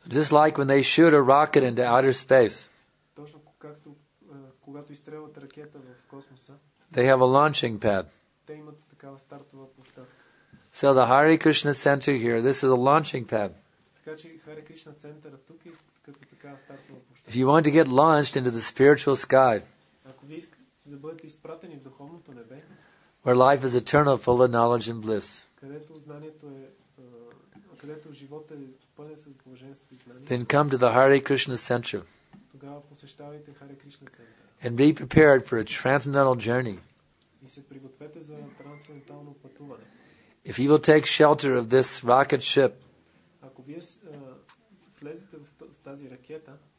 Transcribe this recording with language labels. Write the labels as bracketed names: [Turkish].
[English] Just like when they shoot a rocket into outer space. [Bulgarian] Точно както когато изстрелват ракета в космоса. [English] They have a launching pad. [Bulgarian] Те имат такава стартова площадка. [English] So the Hare Krishna center here, this is a launching pad. [Bulgarian] Така че Hare Krishna центъра тук е като такава стартова площадка. [English] If you want to get launched into the spiritual sky. [Bulgarian] Ако вие искате да бъдете изпратени в духовното небе. [English] Where life is eternal, full of knowledge and bliss. [Bulgarian] Където знанието е, където живота е пълен с блаженство и знание. [English] Then come to the Hare Krishna center. [Bulgarian] Тогава посещавайте Hare Krishna центъра. [English] And be prepared for a transcendental journey. [Bulgarian] И се пригответе за трансцендентално пътуване. [English] If you will take shelter of this rocket ship. [Bulgarian] Ако вие влезете в тази ракета.